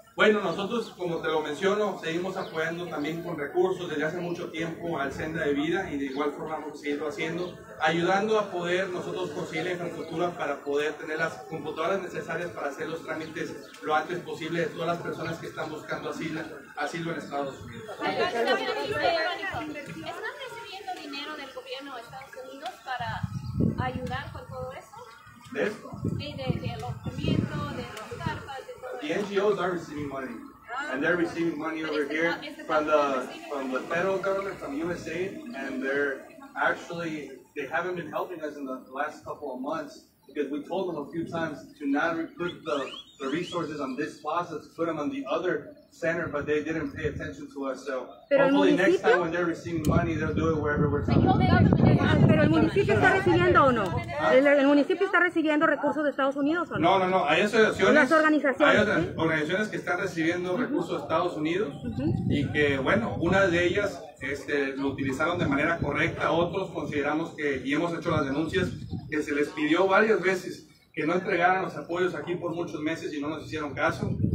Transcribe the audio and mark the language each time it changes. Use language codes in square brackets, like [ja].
[es] Bueno, nosotros, como te lo menciono, seguimos apoyando también con recursos desde hace mucho tiempo al Senda de Vida, y de igual forma vamos a seguirlo haciendo, ayudando a poder nosotros conseguir la infraestructura para poder tener las computadoras necesarias para hacer los trámites lo antes posible de todas las personas que están buscando asilo en Estados Unidos. ¿Están recibiendo dinero del gobierno de Estados Unidos para ayudar con todo eso? ¿De esto? Sí, de alojamiento, de los carpas, de todo. [en] The NGOs are receiving money. And they're receiving money over here from the federal government, from USAID, and they're actually, they haven't been helping us in the last couple of months because we told them a few times to not put the resources on this plaza, to put them on the other center, but they didn't pay attention to us. So [es] pero [en] hopefully next time when they're receiving money, they'll do it wherever we're talking about. [es] ¿Pero el municipio está recibiendo o no? ¿El municipio está recibiendo recursos de Estados Unidos o no? No. Hay asociaciones, las organizaciones, hay otras, ¿sí?, organizaciones que están recibiendo recursos de Estados Unidos, uh-huh, y que, bueno, una de ellas lo utilizaron de manera correcta. Otros consideramos que, y hemos hecho las denuncias, que se les pidió varias veces que no entregaran los apoyos aquí por muchos meses y no nos hicieron caso.